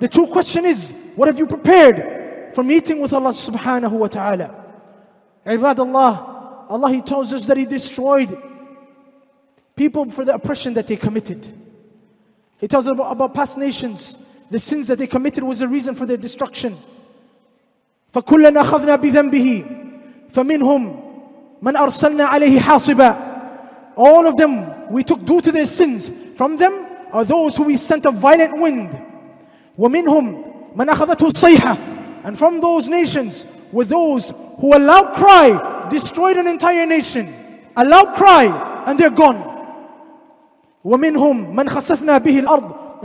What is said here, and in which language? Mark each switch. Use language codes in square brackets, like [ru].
[en] The true question is, what have you prepared for meeting with Allah subhanahu wa ta'ala? Ibadallah, Allah, he tells us that he destroyed people for the oppression that they committed. He tells us about past nations. The sins that they committed was a reason for their destruction. [ar] فكلنا أخذنا بذنبه فمنهم من أرسلنا عليه حاصبا. [en] All of them we took due to their sins. From them are those who we sent a violent wind. [ar] ومنهم من أخذته الصيحة. [en] And from those nations were those who a loud cry destroyed an entire nation. A loud cry and they're gone. [ar] ومنهم من خسفنا به الأرض.